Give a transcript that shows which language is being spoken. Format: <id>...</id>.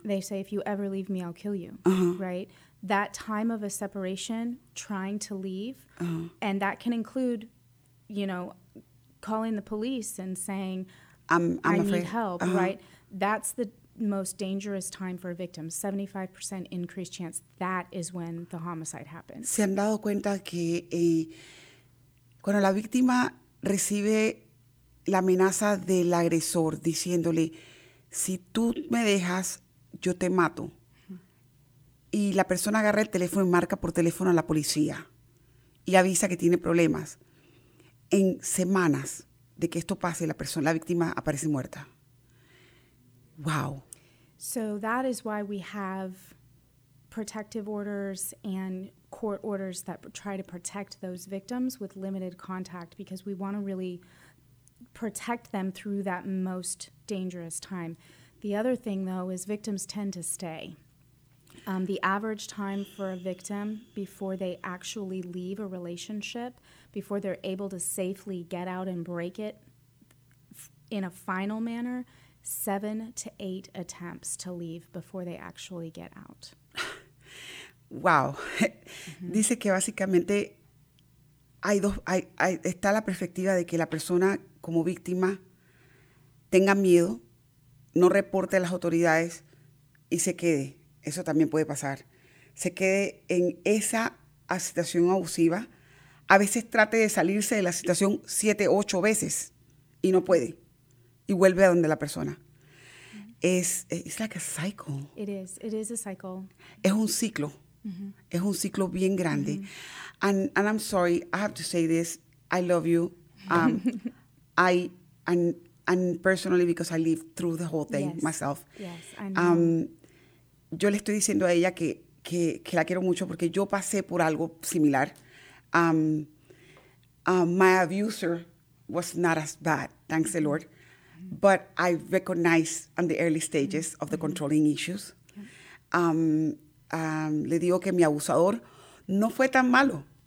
<en>they say, if you ever leave me, I'll kill you, uh-huh. right? That time of a separation, trying to leave, uh-huh. and that can include, you know, calling the police and saying, I'm afraid. Need help, uh-huh. right? That's the most dangerous time for a victim. 75% increased chance. That is when the homicide happens.</en> <es>Se han dado cuenta que cuando la víctima recibe la amenaza del agresor diciéndole, si tú me dejas, yo te mato. Y la persona agarra el teléfono y marca por teléfono a la policía y avisa que tiene problemas. En semanas de que esto pase, la persona, la víctima aparece muerta.</es> <en>Wow. So that is why we have protective orders and court orders that try to protect those victims with limited contact, because we want to really protect them through that most dangerous time. The other thing, though, is victims tend to stay. The average time for a victim before they actually leave a relationship, before they're able to safely get out and break it in a final manner, 7 to 8 attempts to leave before they actually get out. Wow. Mm-hmm.</en> <es>Dice que básicamente hay dos, hay, está la perspectiva de que la persona como víctima tenga miedo, no reporte a las autoridades y se quede. Eso también puede pasar. Se quede en esa situación abusiva. A veces trate de salirse de la situación 7, 8 veces y no puede. Y vuelve a donde la persona.</es> <en>It's like a cycle. It is a cycle.</en> <es>Es un ciclo. Mm-hmm. Es un ciclo bien grande. Mm-hmm.</es> <en>And I'm sorry, I have to say this. I love you. I personally, because I lived through the whole thing, yes, myself. Yes, I know.</en> <es>Yo le estoy diciendo a ella que la quiero mucho porque yo pasé por algo similar.</es> <en>My abuser was not as bad, thanks the Lord. But I recognize on the early stages of the controlling issues.</en> <es>Le digo que mi abusador no fue tan malo.</es>